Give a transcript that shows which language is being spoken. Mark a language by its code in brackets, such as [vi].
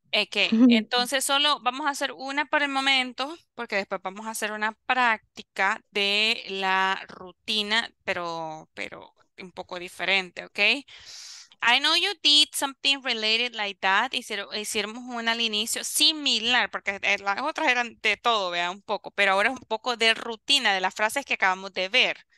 [es] Entonces solo vamos a hacer una por el momento, porque después vamos a hacer una práctica de la rutina, pero un poco diferente, okay? [en] I know you did something related like that. [es] Hicimos una al inicio similar, porque las otras eran de todo, vea, un poco. Pero ahora es un poco de rutina, de las frases que acabamos de ver.